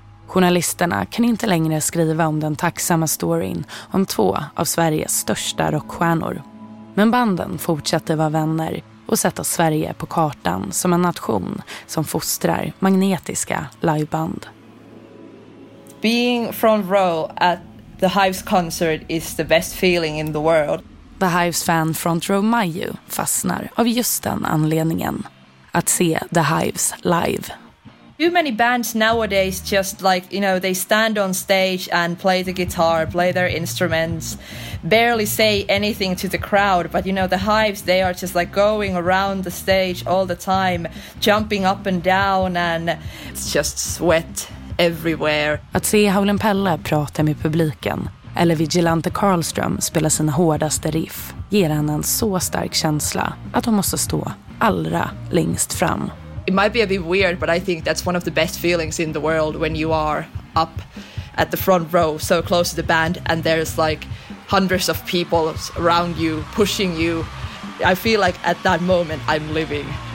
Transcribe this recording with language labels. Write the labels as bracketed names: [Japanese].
[Swedish] Journalisterna kan inte längre skriva om den tacksamma storyn om två av Sveriges största rockstjärnor. Men banden fortsätter vara vänner och sätta Sverige på kartan som en nation som fostrar magnetiska liveband. [English] Being front row at The Hives concert is the best feeling in the world. [Swedish] The Hives fan front row Mayu fastnar av just den anledningen, att se The Hives live. [English] Too many bands nowadays just like, you know, they stand on stage and play the guitar, play their instruments, barely say anything to the crowd, but you know, the Hives, they are just like going around the stage all the time, jumping up and down, and it's just sweat everywhere. [Swedish] Att se Howlin' Pelle prata med publiken eller Vigilante Carlström spela sin hårdaste riff ger henne en så stark känsla att hon måste stå allra längst fram. [English] It might be a bit weird, but I think that's one of the best feelings in the world when you are up at the front row, so close to the band, and there's like hundreds of people around you, pushing you. I feel like at that moment I'm living.